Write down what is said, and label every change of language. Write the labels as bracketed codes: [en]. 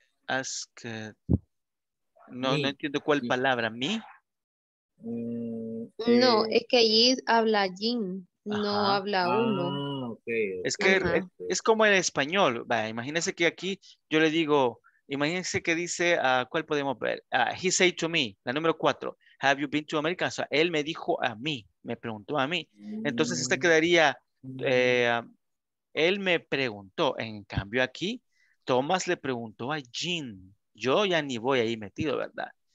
[es] Ask, no, no entiendo cuál palabra, me. No, es que allí habla Jean, no habla uno. Okay. Es que es como el español, vaya, imagínense que aquí yo le digo, imagínense que dice, ¿cuál podemos ver? [en] He said to me, la número 4, have you been to America? [es] O sea, él me dijo a mí, me preguntó a mí. Entonces esta quedaría, él me preguntó, en cambio aquí, Thomas le preguntó a Jean, yo ya ni voy ahí metido, ¿verdad?